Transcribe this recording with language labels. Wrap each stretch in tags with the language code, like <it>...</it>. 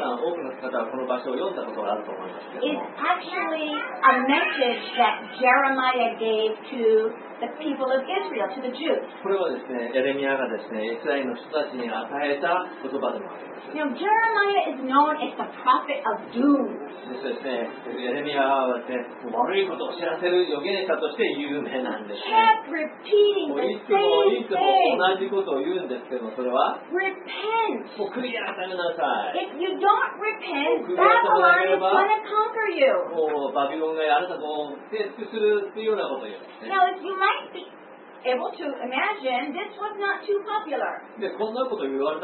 <ja>多くの方はこの場所を読んだことがあると思いますけども。</ja> <en>It's actually a message that Jeremiah gave to the people of Israel, to the Jews.</en> <ja>これはですね、エレミアがですね、イスラエルの人たちに与えた言葉でもあります。</ja> <en>Now Jeremiah is known as the prophet of doom.</en> <ja>ですね、エレミアはですね、悪いことを知らせる預言者として有名なんです。</ja> <en>Kept repeating the same thing.</en> <ja>いつもいつも同じことを言うんですけども、それは</ja> <en>Repent. If you don't repent, Babylon is going to conquer you. Now, if you might be able to imagine, this was not too popular.</en>